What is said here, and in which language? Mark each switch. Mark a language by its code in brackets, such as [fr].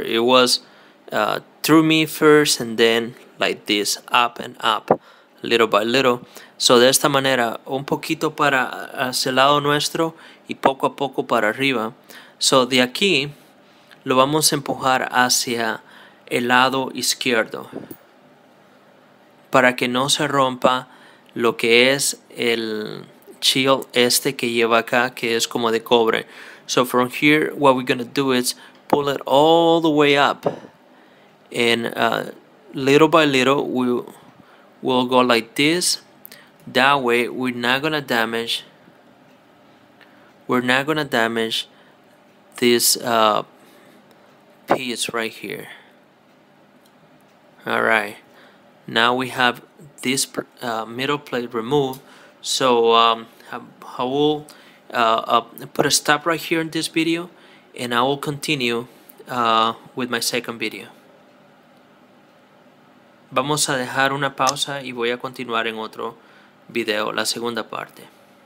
[en] It was through me first and then like this, up and up, little by little. [es] So de esta manera, un poquito para hacia el lado nuestro y poco a poco para arriba. So de aquí, lo vamos a empujar hacia el lado izquierdo para que no se rompa lo que es el chill este que lleva acá, que es como de cobre. [en] So from here, what we're going to do is pull it all the way up. And little by little, we'll go like this. That way, we're not going to damage this piece right here. All right. Now we have this middle plate removed. So I will put a stop right here in this video, and I will continue with my second video. [es] Vamos a dejar una pausa y voy a continuar en otro video, la segunda parte.